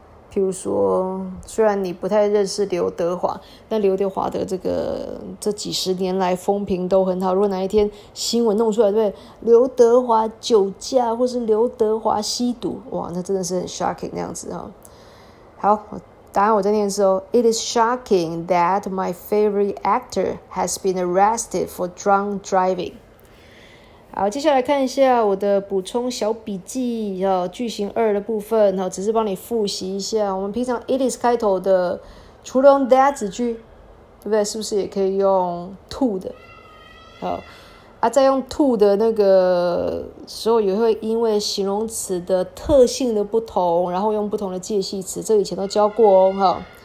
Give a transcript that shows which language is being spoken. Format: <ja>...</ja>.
<zh>譬如说，虽然你不太认识刘德华，但刘德华的这几十年来风评都很好。如果哪一天新闻弄出来，对刘德华酒驾，或是刘德华吸毒，哇，那真的是很 shocking 那样子啊！好。答案我在念的时候</zh> <en>，It is shocking that my favorite actor has been arrested for drunk driving。</en> <zh>好，接下来看一下我的补充小笔记哦，句型二的部分哦，只是帮你复习一下。我们平常 it is 开头的，除了用 that 子句，对不对？是不是也可以用 to 的？好，啊，在用 to 的那个时候，也会因为形容词的特性的不同，然后用不同的介系词，这以前都教过哦，哈。</zh>